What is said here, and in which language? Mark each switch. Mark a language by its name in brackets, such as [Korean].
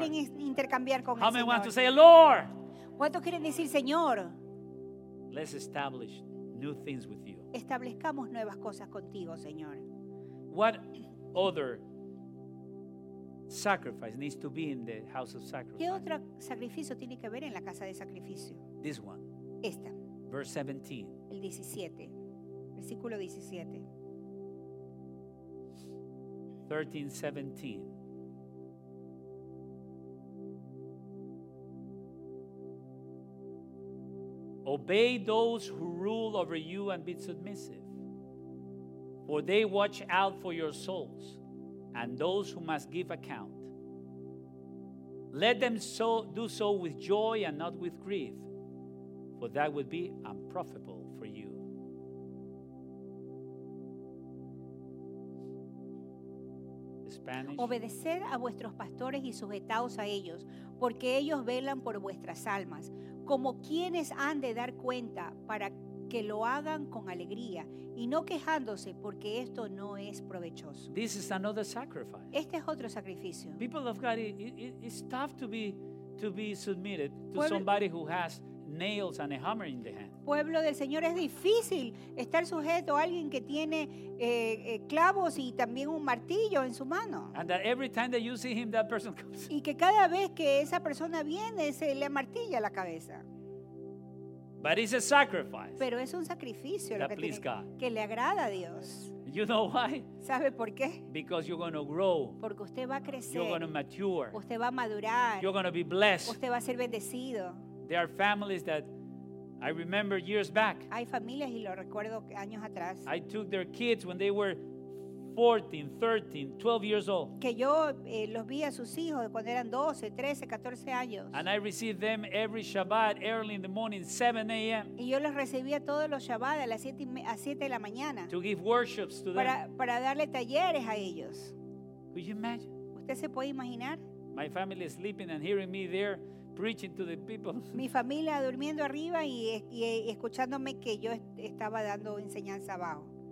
[Spanish] ¿Cuántos quieren intercambiar con el Señor? [English] How many want to say, Lord? [Spanish] ¿Cuántos quieren decir, Señor? [English] Let's establish new things with you. [Spanish] Establezcamos nuevas cosas contigo, Señor. [English] What other sacrifice needs to be in the house of sacrifice? [Spanish] ¿Qué otro sacrificio tiene que haber en la casa de sacrificio? [English] This one. [Spanish] Esta. [English] Verse 17. [Spanish] El 17. Versículo 17. [English] 13:17. Obey those who rule over you and be submissive, for they watch out for your souls and those who must give account. Let them so do so with joy and not with grief, for that would be unprofitable for you. Spanish. [Spanish] Obedeced a vuestros pastores y sujetaos a ellos, porque ellos velan por vuestras almas, como quienes han de dar cuenta, para que lo hagan con alegría y no quejándose, porque esto no es provechoso. [English] This is another sacrifice. [Spanish] Este es otro sacrificio. [English] People of God, it's tough to be submitted to somebody who has nails and a hammer in the hand. [Spanish] Pueblo del Señor, es difícil estar sujeto a alguien que tiene clavos y también un martillo en su mano. [English] And that every time that you see him, that person comes. [Spanish] Y que cada vez que esa persona viene, se le martilla la cabeza. [English] But it's a sacrifice. [Spanish] Pero es un sacrificio [English] that pleases God. [Spanish] Que le agrada a Dios. [English] You know why? [Spanish] ¿Sabe por qué? [English] Because you're going to grow. [Spanish] Porque usted va a crecer. [English] You're going to mature. [Spanish] Usted va a madurar. [English] You're going to be blessed. [Spanish] Usted va a ser bendecido. [English] There are families that I remember years back. [Spanish] Hay familias y lo recuerdo años atrás. [English] I took their kids when they were 14, 13, 12 years old. [Spanish] Que yo los vi a sus hijos cuando eran 12, 13, 14 años. [English] And I received them every Shabbat early in the morning, 7 a.m. [Spanish] Y yo los recibía todos los Shabbat a las 7 de la mañana. [English] To give worships to them. [Spanish] Para darle talleres a ellos. [English] Could you imagine? [Spanish] ¿Usted se puede imaginar? [English] My family is sleeping and hearing me there preaching to the people. [Spanish] Mi familia durmiendo arriba y escuchándome que yo estaba dando enseñanza abajo.